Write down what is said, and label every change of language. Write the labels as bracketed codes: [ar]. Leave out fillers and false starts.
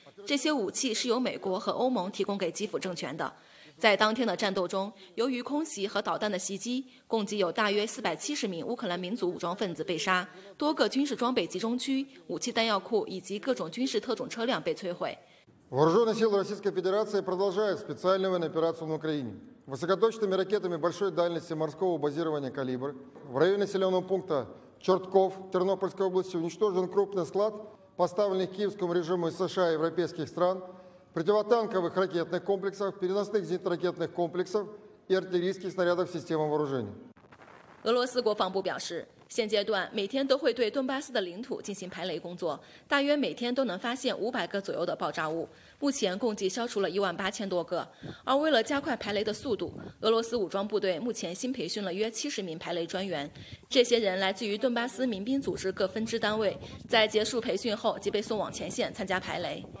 [zh] 这些武器是由美国和欧盟提供给基辅政权的。在当天的战斗中，由于空袭和导弹的袭击，共计有大约470名乌克兰民族武装分子被杀，多个军事装备集中区、武器弹药库以及各种军事特种车辆被摧毁。 [ru] Вооруженные силы Российской Федерации продолжают специальную военную операцию на Украине. Высокоточными ракетами большой дальности морского базирования «Калибр» в районе населенного пункта Чертков Тернопольской области уничтожен крупный склад, поставленный киевскому режиму из США и европейских стран, противотанковых ракетных комплексов, переносных зенитно-ракетных комплексов и артиллерийских снарядов системы вооружения. [zh] 俄罗斯国防部表示，现阶段每天都会对顿巴斯的领土进行排雷工作，大约每天都能发现500个左右的爆炸物，目前共计消除了18000多个。而为了加快排雷的速度，俄罗斯武装部队目前新培训了约70名排雷专员，这些人来自于顿巴斯民兵组织各分支单位，在结束培训后即被送往前线参加排雷。